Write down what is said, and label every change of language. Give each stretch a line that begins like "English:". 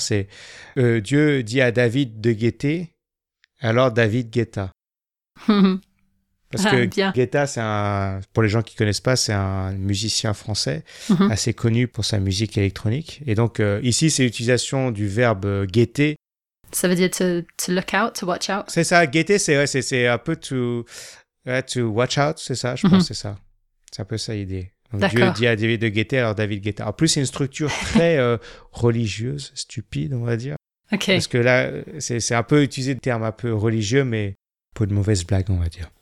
French: C'est Dieu dit à David de guetter, alors David guetta. Parce que Guetta, pour les gens qui ne connaissent pas, c'est un musicien français assez connu pour sa musique électronique. Et donc, ici, c'est l'utilisation du verbe guetter. Ça veut dire
English: to look out, to watch out.
French: C'est ça, guetter, c'est un peu
English: to watch out,
French: c'est ça, je pense, c'est ça. C'est un peu ça l'idée. D'accord. Dieu dit à David de guetter, alors David guetta. En plus, c'est une structure très religieuse, stupide, on va dire. OK. Parce que là, c'est un peu utilisé de termes un peu religieux, mais pour une mauvaise blague, on va dire.